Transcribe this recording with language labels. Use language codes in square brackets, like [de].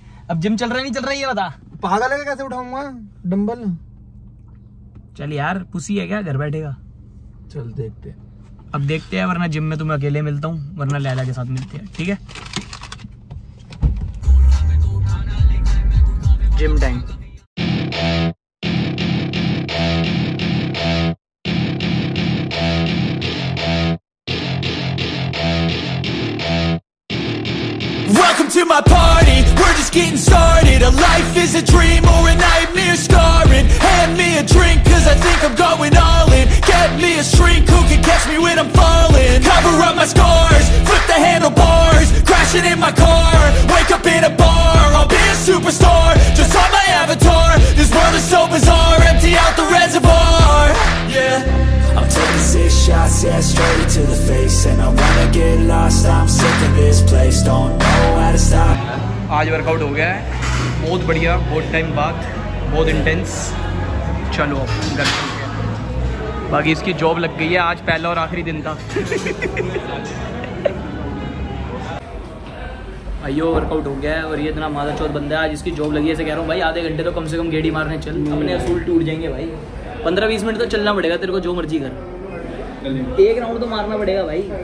[hi] अब जिम चल रहा है नहीं चल रहा है ये बता, पागल है कैसे उठाऊंगा डंबल, चल यार पुसी है क्या घर बैठेगा, चल देखते अब देखते हैं, वरना जिम में तुम्हें अकेले मिलता हूँ वरना लैला के साथ मिलते हैं ठीक है। [en] Gym time, to my party, we're just getting started, a life is a dream or a nightmare scarring, hand me a drink cause I think I'm going all in, get me a shrink who can catch me when I'm falling, cover up my scars, flip the handlebars, crashing in my car, wake up in a bar, I'll be a superstar, just on my avatar, this world is so bizarre, empty out the reservoir, yeah. Shots, yeah, straight to the face. And I wanna get lost, I'm sick of this place. Don't know how to stop. [hi] आज workout हो गया है, बहुत बढ़िया, बहुत time बाद, बहुत intense. चलो घर, बाकी इसकी जॉब लग गई है, आज पहला और आखिरी दिन था। भाइयों वर्कआउट हो गया है और ये इतना मादा चौथ बंदा है, आज इसकी जॉब लगी है, ऐसे कह रहा हूँ भाई आधे घंटे तो कम से कम गेड़ी मारने चल, अपने असूल टूट जाएंगे भाई, 15-20 मिनट तो चलना पड़ेगा तेरे को, जो मर्जी कर, एक राउंड तो मारना पड़ेगा भाई।